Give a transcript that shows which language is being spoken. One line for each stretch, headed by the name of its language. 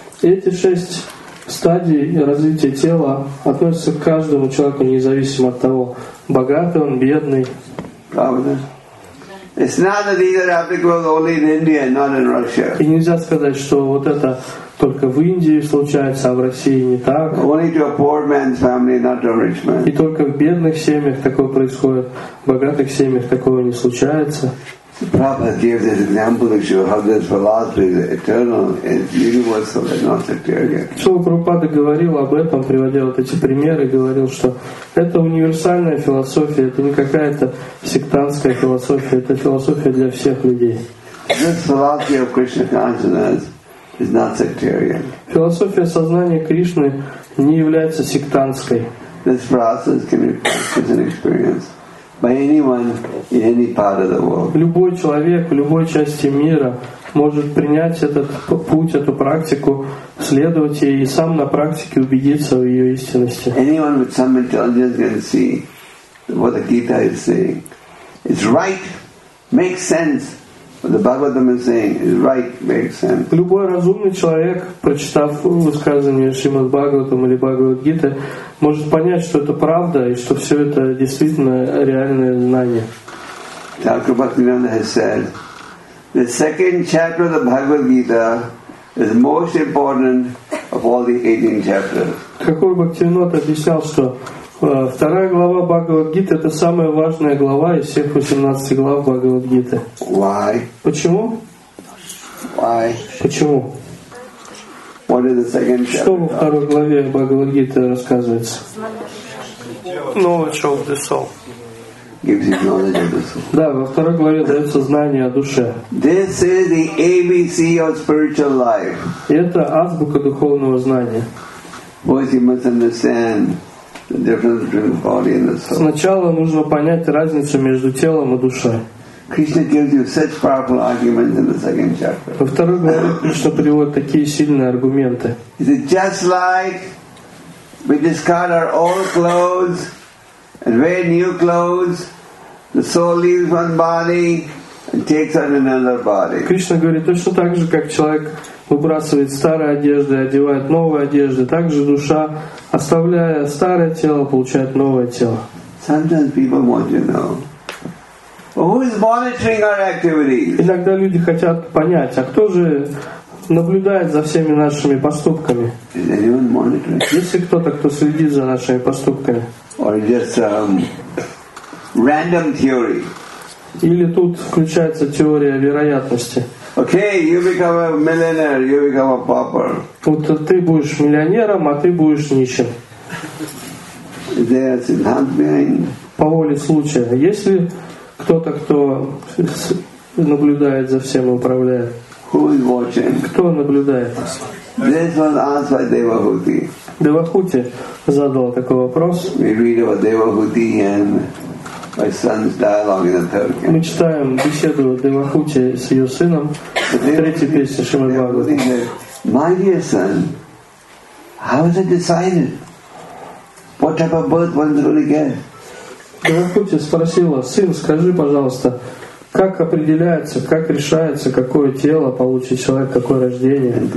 Russian: Эти шесть стадий развития тела относятся к каждому человеку, независимо от того, богатый он, бедный. Правда?
English: It's not that these are applicable only in India, not in Russia.
Russian: И нельзя сказать, что вот это только в Индии случается, а в России не так.
English: Only to a poor man's family, not to a rich man.
Russian: И только в бедных семьях такое происходит. В богатых семьях такого не случается.
English: Prabhupada gave this example to show how this philosophy is eternal and universal and not sectarian.
Russian: Шрила Прабхупада говорил об этом, приводя вот эти примеры, говорил, что это универсальная философия, это не какая-то сектантская философия, это философия для всех людей.
English: This philosophy of Krishna consciousness is not sectarian.
Russian: Философия сознания Кришны не является сектантской.
English: This process can be is an experience by anyone in any part of the world.
Russian: Любой человек в любой части мира может принять этот путь, эту практику, следовать ей и сам на практике убедиться в ее истинности.
English: Anyone with some intelligence can see what the Gita is saying. It's right, makes sense. What the Bhagavatam is saying is right, makes sense.
Russian: Любой разумный человек, прочитав высказывание Шримад Бхагаватам или Бхагавад Гиты, может понять, что это правда и что все это действительно реальное знание.
English: Thakur Bhaktivinoda has said, the second chapter of the Bhagavad Gita is most important of all the 18 chapters.
Russian: Thakur Bhaktivinoda объяснял, что вторая глава Бхагавад Гиты это самая важная глава из всех 18 глав Бхагавад Гиты.
English: Why?
Russian: Почему?
English: Why?
Russian: Почему?
English: What is the second chapter?
Russian: Что во второй главе Бхагавад Гиты рассказывается?
English: Knowledge of the soul. Gives you knowledge of the soul.
Russian: Да, во второй главе дается знание о душе.
English: This is the ABC of spiritual life.
Russian: И это азбука духовного знания.
English: What you must understand. The difference between the body and the soul.
Russian: Сначала нужно понять разницу между телом и душой.
English: Krishna gives you such powerful arguments in the second chapter.
Russian: Во второй главе Кришна приводит такие сильные аргументы.
English: Is it just like we discard our old clothes and wear new clothes? The soul leaves one body and takes on another body.
Russian: Кришна говорит точно так же, как человек выбрасывает старые одежды и одевает новые одежды, так же душа, оставляя старое тело, получает новое тело.
English: Sometimes people want to know, who is monitoring our activities?
Russian: Иногда люди хотят понять, а кто же наблюдает за всеми нашими поступками.
English: Is anyone monitoring?
Russian: Есть ли кто-то, кто следит за нашими поступками?
English: Or just random theory?
Russian: Или тут включается теория вероятности?
English: Okay, you become a millionaire, you become a pauper.
Russian: Вот ты будешь миллионером, а ты будешь нищим.
English: There's not being.
Russian: По воле случая. Есть ли кто-то, кто наблюдает за всем и управляет?
English: Who is watching?
Russian: Кто наблюдает?
English: This was asked by Devahuti.
Russian: Devahuti задал такой вопрос.
English: We read about Devahuti and my son's dialogue in the third canto.
Russian: Мы читаем беседу Девахути с ее сыном в третьей песне Шримад Бхагаватам.
English: My dear son, how is it decided? What type of birth one's going to get?
Russian: Девахути спросила: «Сын, скажи, пожалуйста, как определяется, как решается, какое тело получит человек, какое рождение?»